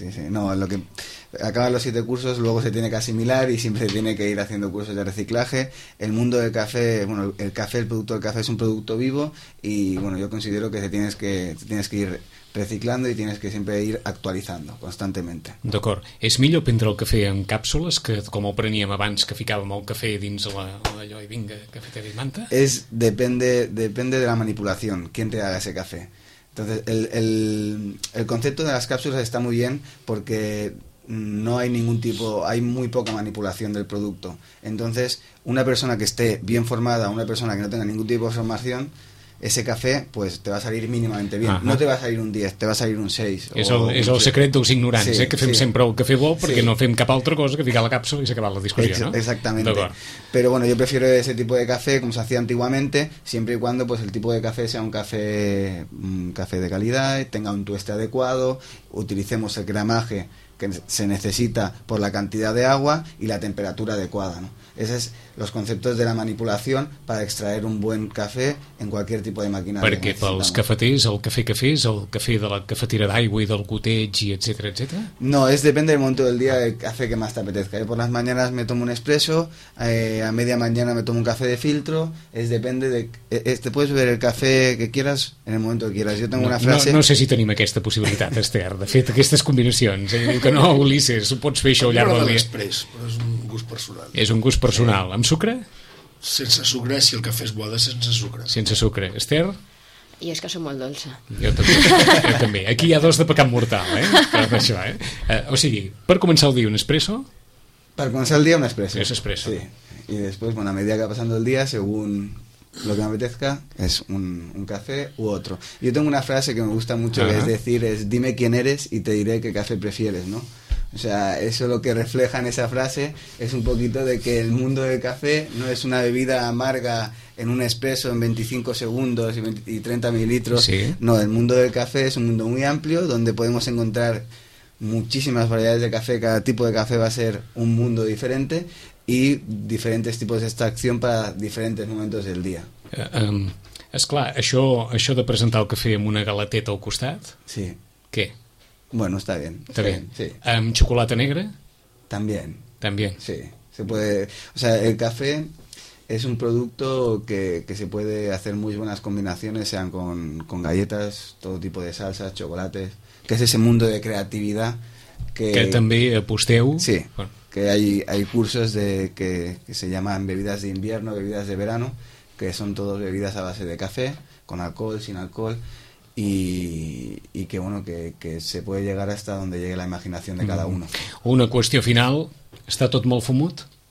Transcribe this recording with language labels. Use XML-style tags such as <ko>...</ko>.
<es>No, lo que acaba los 7 cursos, luego se tiene que asimilar y siempre tiene que ir haciendo cursos de reciclaje. El mundo del café, bueno, el café, el producto del café es un producto vivo y bueno, yo considero que tienes que ir reciclando y tienes que siempre ir actualizando constantemente.</es> <ca>D'acord. És millor prendre el cafè en càpsules que com ho preníem abans, que ficàvem el cafè dins allò i vinga, cafetera i manta?</ca> <es>Depende de la manipulación, quién te haga ese café. Entonces, el concepto de las cápsulas está muy bien porque no hay ningún tipo, hay muy poca manipulación del producto. Entonces, una persona que esté bien formada, una persona que no tenga ningún tipo de formación, ese café, pues te va a salir mínimamente bien. Ajá. No te va a salir un 10, te va a salir un 6.</es> <ca>És el secret dels ignorants, sí, que fem sempre el café bo perquè no fem cap altra cosa que ficar la càpsula i s'acabar la discussió.</ca> <es>Exactamente.</es> <ca>D'acord.</ca> <es>Pero bueno, yo prefiero ese tipo de café, como se hacía antiguamente, siempre y cuando pues el tipo de café sea un café de calidad, tenga un tueste adecuado, utilicemos el gramaje que se necesita por la cantidad de agua y la temperatura adecuada, ¿no? Esos son los conceptos de la manipulación para extraer un buen café en cualquier tipo de máquina.</es> <ca>Perquè pels cafeters, el café és el café de la cafetera d'aigua i del goteig, i etcètera, etcètera?</ca> <es>No, depende del momento del día el café que más te apetezca. Por las mañanas me tomo un espresso, a media mañana me tomo un café de filtro, te puedes beber el café que quieras en el momento que quieras. Yo tengo no, una frase...</es> <ca>No sé si tenim aquesta possibilitat, Esther, de fet, aquestes combinacions. Que no, Ulisses, ho pots fer això al llarg del dia. Després, però és un gust personal. És un gust personal. Sí. Amb sucre? Sense sucre, si el cafè és bo, sense sucre. Sense sucre. Esther? Jo és que sóc molt dolça. Jo també. Aquí hi ha dos de pecat mortal, eh? Això, eh? Per començar el dia, un espresso? Per començar el dia, un espresso. És espresso. Sí. I després, bueno, a medida que va passant el dia, segons</ca> <es>lo que me apetezca, es un café u otro. Yo tengo una frase que me gusta mucho, que es decir, es dime quién eres y te diré qué café prefieres, ¿no? O sea, eso lo que refleja en esa frase es un poquito de que el mundo del café no es una bebida amarga en un espresso en 25 segundos y 30 mililitros. ¿Sí? No, el mundo del café es un mundo muy amplio donde podemos encontrar muchísimas variedades de café, cada tipo de café va a ser un mundo diferente y diferentes tipos de extracción para diferentes momentos del día.</es> <ca>És clar, això de presentar el cafè amb una galateta al costat? Sí. Què?</ca> <es>Bueno, está bien. Está bien. Sí.</es> <ca>Amb xocolata negra?</ca> <es>También. También. Sí. Se puede, o sea, el café es un producto que se puede hacer muy buenas combinaciones, sean con galletas, todo tipo de salsas, chocolates, que es ese mundo de creatividad que</es> <ca>també aposteu. Sí. Bueno.</ca> <es>Que hay cursos de que se llaman bebidas de invierno, bebidas de verano, que son todas bebidas a base de café, con alcohol, sin alcohol, y que bueno, que se puede llegar hasta donde llegue la imaginación de cada uno.</es> <ca>Una qüestió final, ¿està tot molt fumut?</ca>